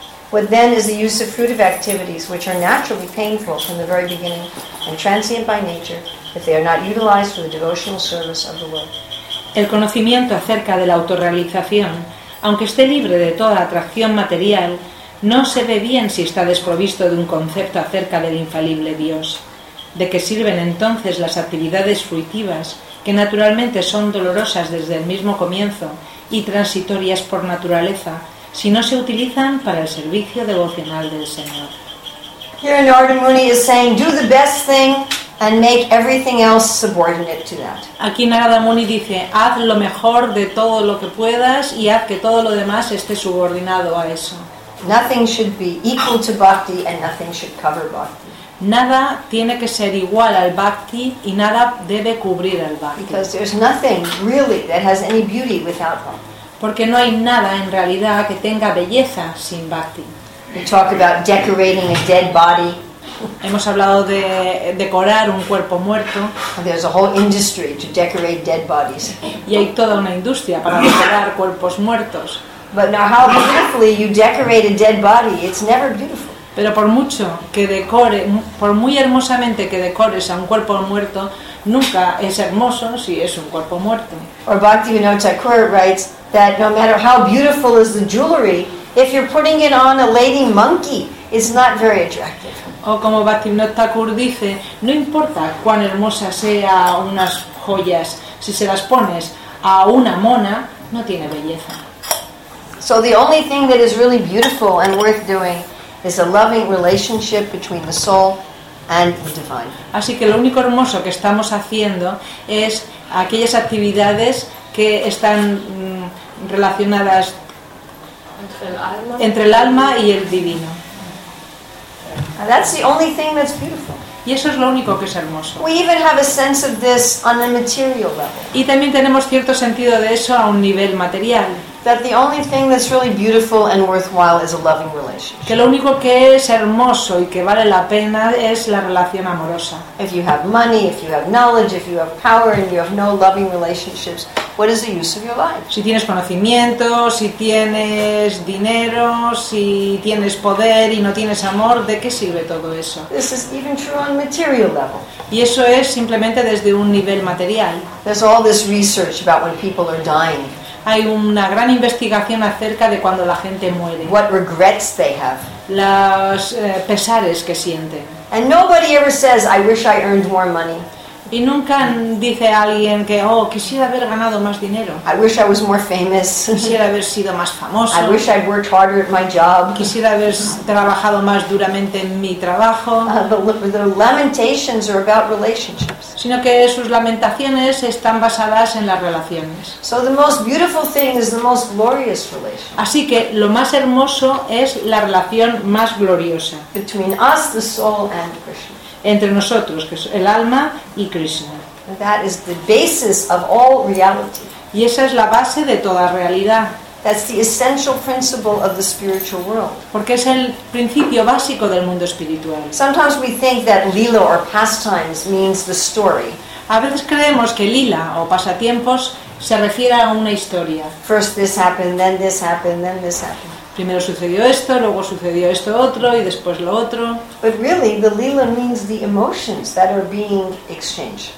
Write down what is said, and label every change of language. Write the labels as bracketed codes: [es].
[en] What then is the use of fruitive activities, which are naturally painful from the very beginning and transient by nature, if they are not utilized for the devotional service of the Lord? [es] El conocimiento acerca de la autorrealización, aunque esté libre de toda atracción material, no se ve bien si está desprovisto de un concepto acerca del infalible Dios. ¿De qué sirven entonces las actividades fruitivas, que naturalmente son dolorosas desde el mismo comienzo y transitorias por naturaleza, si no se utilizan para el servicio devocional del Señor? [en] Here Narada Muni is saying, do the best thing and make everything else subordinate to that. [es] Aquí Narada Muni dice, haz lo mejor de todo lo que puedas y haz que todo lo demás esté subordinado a eso. [en] Nothing should be equal to bhakti and nothing should cover bhakti. [es] Nada tiene que ser igual al bhakti y nada debe cubrir al bhakti. [en] Because there's nothing really that has any beauty without bhakti. [es] Porque no hay nada en realidad que tenga belleza sin bhakti. [en] We talk about decorating a dead body. [es] Hemos hablado de decorar un cuerpo muerto. [en] And there's a whole industry to decorate dead bodies. [es] Y hay toda una industria para decorar cuerpos muertos. [en] But now how beautifully you decorate a dead body, it's never beautiful. [es] Pero por mucho que decore, por muy hermosamente que decores a un cuerpo muerto, nunca es hermoso si es un cuerpo muerto. [en] Or Bhaktivinoda Thakur writes that no matter how beautiful is the jewelry, if you're putting it on a lady monkey, it's not very attractive. [es] O como Bhaktivinoda Thakur dice, no importa cuán hermosa sea unas joyas, si se las pones a una mona, no tiene belleza. [en] So the only thing that is really beautiful and worth doing is a loving relationship between the soul and the divine. [es] Así que lo único hermoso que estamos haciendo es aquellas actividades que están relacionadas entre el alma y el divino. [en] And that's the only thing that's beautiful. [es] Y eso es lo único que es hermoso. [en] We even have a sense of this on a material level. [es] Y también tenemos cierto sentido de eso a un nivel material. [en] That the only thing that's really beautiful and worthwhile is a loving relationship. [es] Que lo único que es hermoso y que vale la pena es la relación amorosa. [en] If you have money, if you have knowledge, if you have power, and you have no loving relationships, what is the use of your life? [es] Si tienes conocimiento, si tienes dinero, si tienes poder y no tienes amor, ¿de qué sirve todo eso? [en] This is even true on a material level. [es] Y eso es simplemente desde un nivel material. [en] There's all this research about when people are dying. [es] Hay una gran investigación acerca de cuando la gente muere. [en] What regrets they have. [es] Los pesares que sienten. [en] And nobody ever says, I wish I earned more money. [es] Y nunca dice alguien que, oh, quisiera haber ganado más dinero. [en] I wish I was more famous. [es] Quisiera haber sido más famoso. [en] I wish I'd worked harder at my job. [es] Quisiera haber trabajado más duramente en mi trabajo. [en] The lamentations are about relationships. [es] Sino que sus lamentaciones están basadas en las relaciones. [en] So the most beautiful thing is the most glorious relationship. [es] Así que lo más hermoso es la relación más gloriosa. [en] Between us, the soul, and Krishna. [es] Entre nosotros, que es el alma y Krishna. [en] That is the basis of all reality. [es] Y esa es la base de toda realidad. [en] That's the essential principle of the spiritual world. [es] Porque es el principio básico del mundo espiritual. [en] Sometimes we think that lila or pastimes means the story. [es] A veces creemos que lila o pasatiempos se refiere a una historia. [en] First this happened, then this happened, then this happened. [es] Primero sucedió esto, luego sucedió esto otro y después lo otro. [en] But really, the lila means the emotions that are being exchanged.